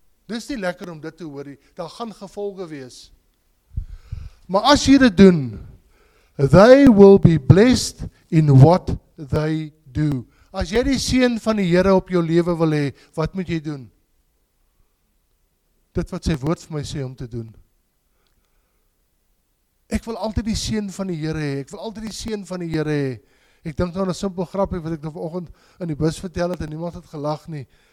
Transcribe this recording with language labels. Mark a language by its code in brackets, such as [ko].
[af] Dis nie lekker om dit te hoor, daar gaan gevolge wees. Maar as jy dit doen, [en] they will be blessed in what they do. [af] As jy die seën van die Here op jou lewe wil hê, wat moet jy doen? Dit wat sy woord vir my sê om te doen. Ek wil altyd die seën van die Here hê, ek wil altyd die seën van die Here hê. Ek dink nou aan 'n simpel grapje wat ek nou vanoggend in die bus vertel het en niemand het gelag nie.